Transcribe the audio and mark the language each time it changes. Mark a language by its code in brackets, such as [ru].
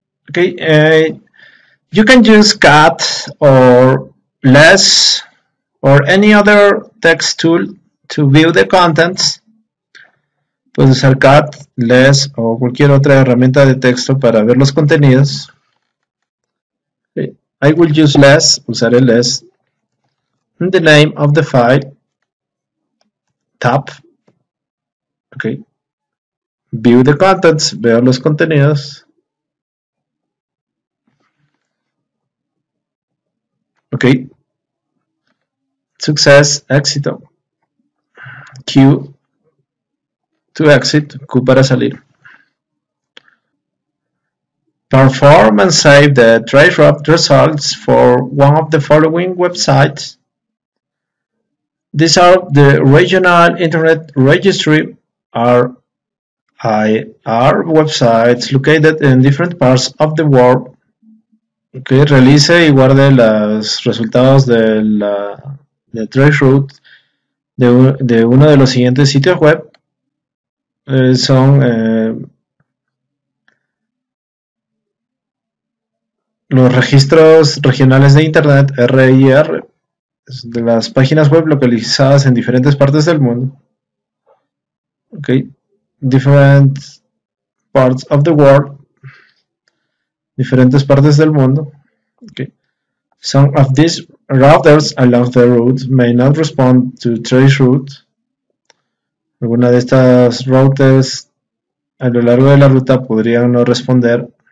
[en] Okay, you can use cat or less or any other text tool to view the contents. [es] Puedes usar cat, less o cualquier otra herramienta de texto para ver los contenidos. [en] Okay. I will use less, [es] usaré less. [en] In the name of the file, tap, okay, view the contents, [es] veo los contenidos, [en] okay, success, [es] éxito, [en] Q to exit, [es] Q para salir, [en] perform and save the traceroute results for one of the following websites. These are the Regional Internet Registry, RIR, websites located in different parts of the world. [es] Okay, realice y guarde los resultados de la de traceroute de uno de los siguientes sitios web. Son los registros regionales de Internet, RIR. De las páginas web localizadas en diferentes partes del mundo. [en] Okay. Different parts of the world. [es] Diferentes partes del mundo. Okay. [en] Some of these routers along the route may not respond to traceroute. [es] Alguna de estas routers a lo largo de la ruta podrían no responder.